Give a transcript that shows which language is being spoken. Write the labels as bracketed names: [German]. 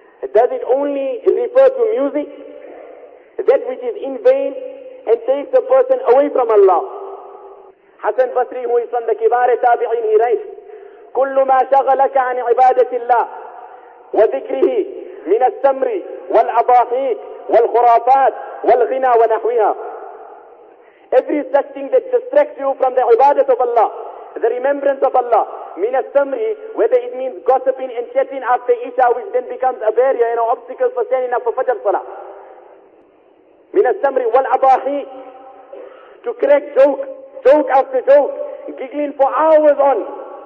[English] Does it only refer to music? That which is in vain and takes a person away from Allah. Hasan Basri, who is from the kibari tabi'in, he writes, [Arabic] كُلُّ مَا شَغَلَكَ عَنِ عِبَادَةِ اللَّهِ وَذِكْرِهِ من السمر والأباطيل والخرافات والغنى ونحوها. [English] Every such thing that distracts you from the ibadat of Allah, the remembrance of Allah, min al-samri, whether it means gossiping and chatting after Isha, which then becomes a barrier, you know, obstacle for standing up for Fajr Salah. Min al-samri wal-abahi, to crack joke after joke, giggling for hours on.